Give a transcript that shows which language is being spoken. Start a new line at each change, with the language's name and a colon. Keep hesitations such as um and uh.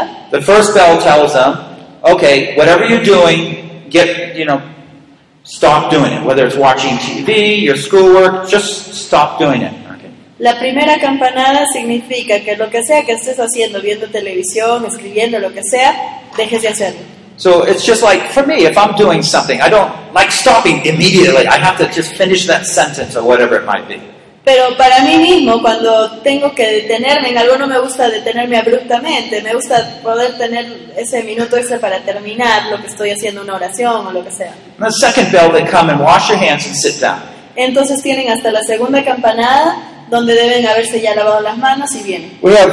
English: the first bell tells them, okay, whatever you're doing, get, you know, stop doing it. Whether it's watching TV, your schoolwork, just stop doing it,
Spanish: La primera campanada significa que lo que sea que estés haciendo, viendo televisión, escribiendo, lo que sea, dejes de hacerlo.
English: So it's just like for me, if I'm doing something, I don't like stopping immediately. I have to just finish that sentence or whatever it might be.
Spanish: Pero para mí mismo, cuando tengo que detenerme en algo, no me gusta detenerme abruptamente. Me gusta poder tener ese minuto extra para terminar lo que estoy haciendo, una oración o lo que sea.
English: And the second bell, they come and wash your hands and sit down.
Spanish: Entonces tienen hasta la segunda campanada donde deben haberse ya lavado las manos y bien. Uh,